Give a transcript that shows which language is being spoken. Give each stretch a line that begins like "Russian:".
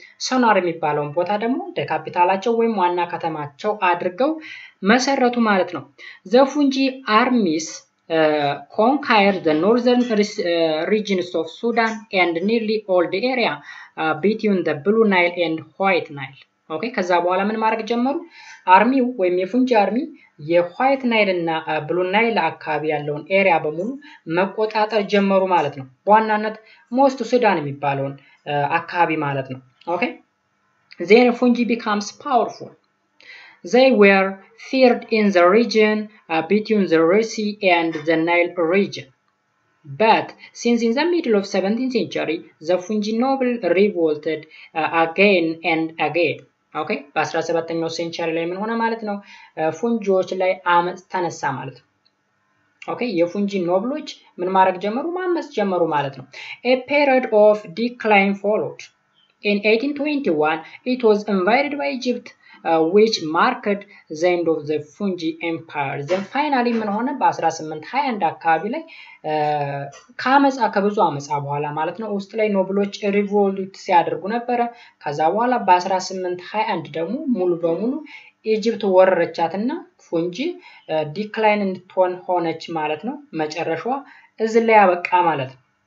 Amharic: Sanaa የሚባለው ቦታ ደግሞ እንደ ካፒታላቸው ወይም ዋና ከተማቸው አድርገው መሰረቱ ማለት ነው።
English: The Fungi armies conquered the northern regions of Sudan and nearly all the area between the Blue Nile and White Nile.
Amharic: Okay, ከዛ በኋላ ምን ማድረግ ጀመሩ? አርሚ ወይም የፉንጂ አርሚ የዋይት ናይል እና ብሉ ናይል አካባቢ ያለውን ኤሪያ በሙሉ መቆጣጠር ጀመሩ ማለት ነው። በዋናነት ሞስት ሱዳን የሚባለውን አካባቢ ማለት ነው። Okay?
English: Then Fungi becomes powerful. They were feared in the region between the Red Sea and the Nile region. But since in the middle of 17th century, the Fungi noble revolted again and again. Okay?
Amharic: በ17ኛው century ላይ ምን ሆነ ማለት ነው? ፉንጂዎች ላይ አመጽ ተነሳ ማለት ነው። Okay? የፉንጂ ኖብሎች ምን ማድረግ ጀመሩ? ማመጽ ጀመሩ ማለት ነው።
English: A period of decline followed. In 1821, it was invaded by Egypt. Which marked the end of the Fungi empire.
Amharic: Then finally ምን ሆነ? በ1821 አካባቢ ላይ ከአመጻ ከብዙ አመጻ በኋላ ማለት ነው ውስጥ ላይ ኖብሎች ሪቮልት ሲያደርጉ ነበረ። ከዛ በኋላ በ1821 ደግሞ ሙሉ በሙሉ ኢጅፕት ወረረቻትና ፉንጂ ዲክላይን እንድትሆን ሆነች ማለት ነው። መጨረሻዋ እዚ ላይ አበቃ ማለት ነው።